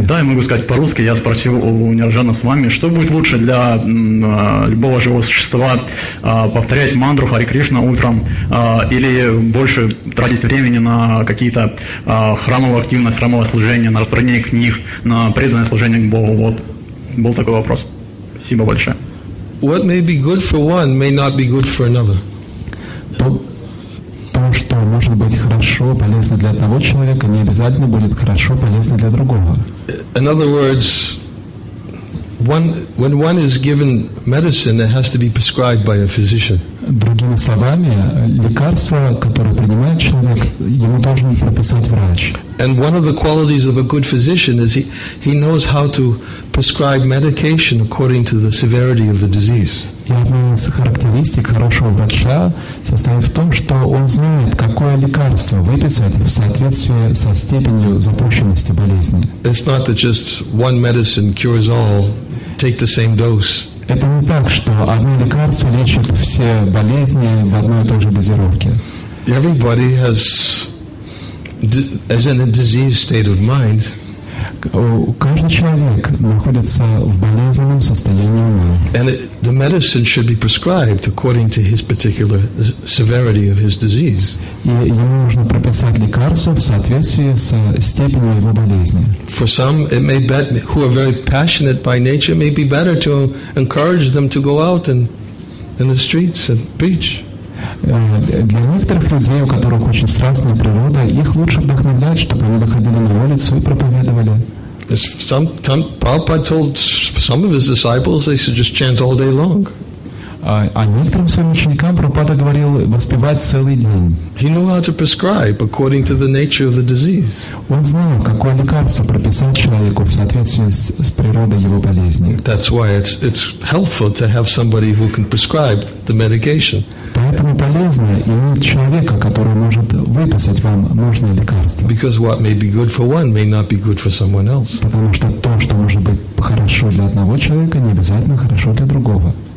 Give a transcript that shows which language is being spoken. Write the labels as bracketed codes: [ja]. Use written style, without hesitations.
[ru] Да, я могу сказать по-русски. Я спросил у Ниржана с вами, что будет лучше для любого живого существа, повторять мантру Хари Кришна утром или больше тратить времени на какие-то храмовые активности, храмовое служение, на распространение книг, на преданное служение к Богу. Вот. Был такой вопрос. Спасибо большое. [en] What may be good for one may not be good for another. [ru] То, что может быть хорошо, полезно для одного человека, не обязательно будет хорошо, полезно для другого. [en] In other words, when one is given medicine, it has to be prescribed by a physician. [ru] Другими словами, лекарство, которое принимает человек, ему должен прописать врач. [en] And one of the qualities of a good physician is he knows how to prescribe medication according to the severity of the disease. [ru] И одна из характеристик хорошего врача состоит в том, что он знает, какое лекарство выписать в соответствии со степенью запущенности болезни. [en] It's not that just one medicine cures all. Take the same dose. [ru] Это не так, что одно лекарство лечит все болезни в одной и той же дозировке. [en] Everybody has, as in a diseased state of mind. [ru] Каждый человек находится в болезненном состоянии ума. [en] And the medicine should be prescribed according to his particular severity of his disease. [ru] И ему нужно прописать лекарство в соответствии с степенью его болезни. [en] For some, it may be who are very passionate by nature, may be better to encourage them to go out and in the streets and preach. [ru] Для некоторых людей, у которых очень страстная природа, их лучше вдохновлять, чтобы они выходили на улицу и проповедовали. [en] Prabhupada told some of his disciples they should just chant all day long. [ru] А некоторым своим ученикам Прабхупада говорил воспевать целый день. [en] He knew how to prescribe according to the nature of the disease. [ru] Он знал, какое лекарство прописать человеку в соответствии с природой его болезни. [en] That's why it's helpful to have somebody who can prescribe the medication. [ru] Поэтому полезно иметь человека, который может выписать вам нужное лекарство. [en] Because what may be good for one may not be good for someone else. [ru] Потому что то, что может быть хорошо для одного человека, не обязательно хорошо для другого.